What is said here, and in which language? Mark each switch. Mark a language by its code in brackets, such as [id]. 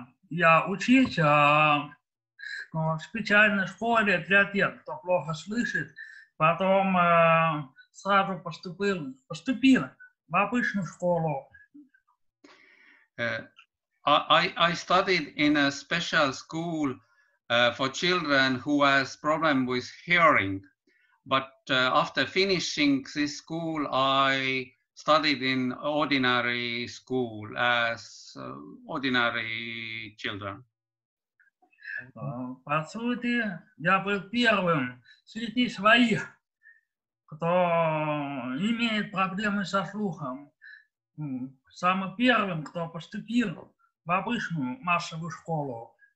[ru] Я учить в специальной школе 3 лет, кто плохо слышит, потом сразу поступил в обычную школу. [en] I studied in a special school for children who has problem with hearing, but after finishing this school, I studied in ordinary school as ordinary children. [ru] По сути, я был первым среди своих, кто имеет проблемы со слухом. Самым первым, кто поступил в обычную массовую школу.